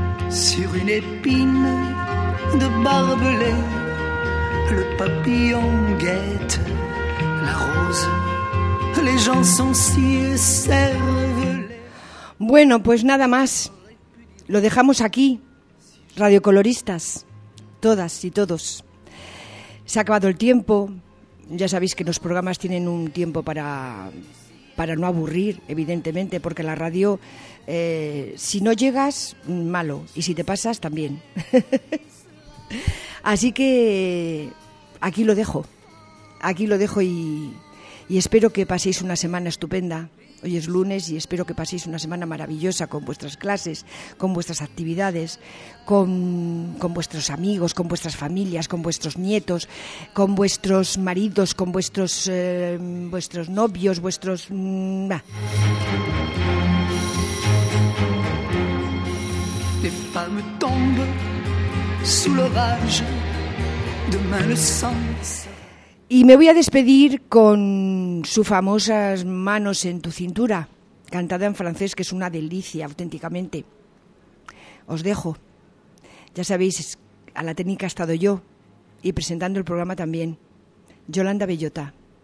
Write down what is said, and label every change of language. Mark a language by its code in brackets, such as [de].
[fr] Sur une épine de barbelé, le papillon guette la rose, les gens sont si cervelés. [es] Bueno, pues nada más. Lo dejamos aquí, radiocoloristas, todas y todos. Se ha acabado el tiempo. Ya sabéis que los programas tienen un tiempo para no aburrir, evidentemente, porque la radio, si no llegas, malo. Y si te pasas, también. Así que aquí lo dejo. Aquí lo dejo y espero que paséis una semana estupenda. Hoy es lunes y espero que paséis una semana maravillosa con vuestras clases, con vuestras actividades, con vuestros amigos, con vuestras familias, con vuestros nietos, con vuestros maridos, con vuestros novios, vuestros... [fr] Les femmes tombent sous l'orage, demain le sang. [es] Y me voy a despedir con su famosa Manos en tu cintura, cantada en francés, que es una delicia, auténticamente. Os dejo. Ya sabéis, a la técnica he estado yo, y presentando el programa también, Yolanda Bellota.